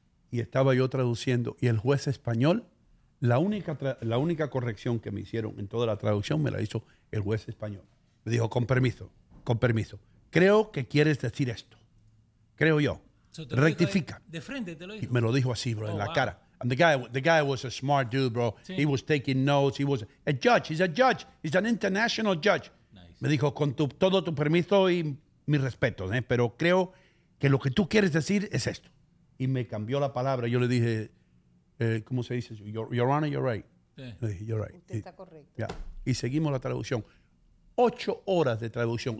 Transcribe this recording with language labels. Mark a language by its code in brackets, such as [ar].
[es] Y estaba yo traduciendo, y el juez español, la única corrección que me hicieron en toda la traducción me la hizo el juez español. Me dijo, con permiso, creo que quieres decir esto. Creo yo. So rectifica. De frente te lo dijo. Y me lo dijo así, bro, en la cara. [en] And the guy was a smart dude, bro. [es] Sí. [en] He was taking notes. He was a judge. He's a judge. He's an international judge. Nice. [es] Me dijo, con todo tu permiso y mi respeto, ¿eh? Pero creo que lo que tú quieres decir es esto. Y me cambió la palabra. Yo le dije, ¿cómo se dice? [en] Your Honor, you're right. [es] Sí. Le dije, [en] you're right. [es] Usted está correcto. Yeah. Y seguimos la traducción. 8 horas de traducción.